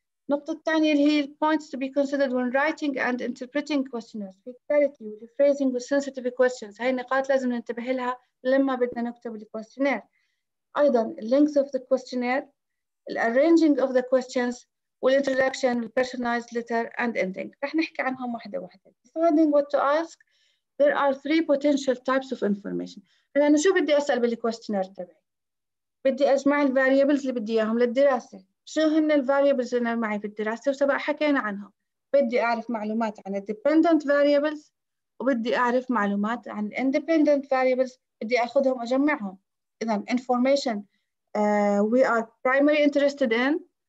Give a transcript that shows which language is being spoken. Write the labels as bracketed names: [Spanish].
[Arabic] النقطة الثانية اللي هي [English] points to be considered when writing and interpreting questionnaires [Arabic] في [English] clarity rephrasing with sensitive questions، [Arabic] هاي النقاط لازم ننتبه لها لما بدنا نكتب الكويستشنير. أيضا [English] length of the questionnaire, arranging of the questions والintroduction, personalized letter and ending. [Arabic] رح نحكي عنهم واحدة واحدة. [English] Deciding what to ask, there are three potential types of information. [Arabic] أنا شو بدي أسأل بالكويستشنير تبعي؟ بدي أجمع الفاريبلز اللي بدي إياهم للدراسة. شو هن الفاريبلز اللي أنا معي في الدراسة وسبق حكينا عنهم. بدي أعرف معلومات عن [English] dependent variables [Arabic] وبدي أعرف معلومات عن [English] independent variables. [Arabic] بدي أخذهم أجمعهم. إذا [English] information we are primarily interested in.